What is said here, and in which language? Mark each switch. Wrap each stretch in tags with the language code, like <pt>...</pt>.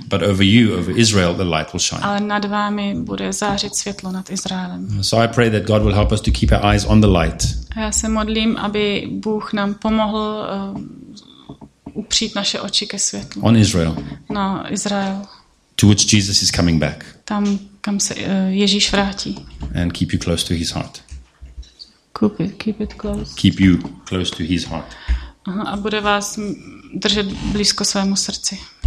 <en>But over you, over Israel, the light will shine.</en> <cs>Ale nad vámi bude zářit světlo nad Izraelem.</cs> <en>So I pray that God will help us to keep our eyes on the light.</en> <cs>A já se modlím, aby Bůh nám pomohl upřít naše oči ke světlu.</cs> <en>On Israel.</en> <cs>Na Izrael.</cs> <en>To which Jesus is coming back.</en> <cs>Tam, kam se Ježíš vrátí.</cs> <en>And keep you close to his heart. Keep it close. Keep you close to his heart.</en> <cs>Aha, a bude vás držet blízko svému srdci.</cs>